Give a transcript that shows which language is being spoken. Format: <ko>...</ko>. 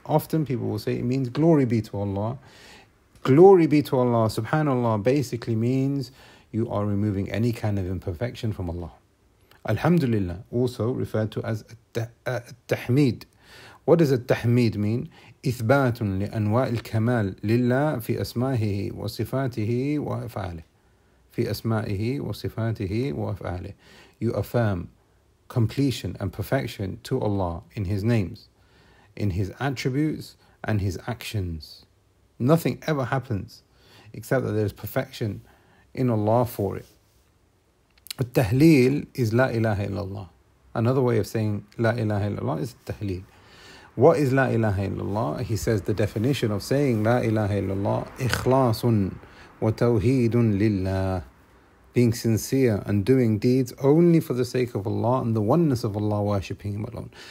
<en>Often people will say it means glory be to Allah. Glory be to Allah. Subhanallah basically means you are removing any kind of imperfection from Allah. Alhamdulillah, also referred to as at-tahmid. What does at-tahmid mean?</en> <ar>إثباتٌ لأنواع الكمال لله في أسمائه وصفاته وأفعاله. في أسمائه وصفاته وأفعاله.</ar> <en>You affirm completion and perfection to Allah in His names, in His attributes and His actions. Nothing ever happens except that there is perfection in Allah for it.</en> <ar>التهليل is لا إله إلا الله.</ar> <en>Another way of saying</en> <ar>لا إله إلا الله</ar> <en>is التهليل. What is la ilaha illallah? He says the definition of saying la ilaha illallah,</en> <ar>ikhlasun wa tawheedun lillah,</ar> <en>being sincere and doing deeds only for the sake of Allah and the oneness of Allah, worshipping Him alone.</en>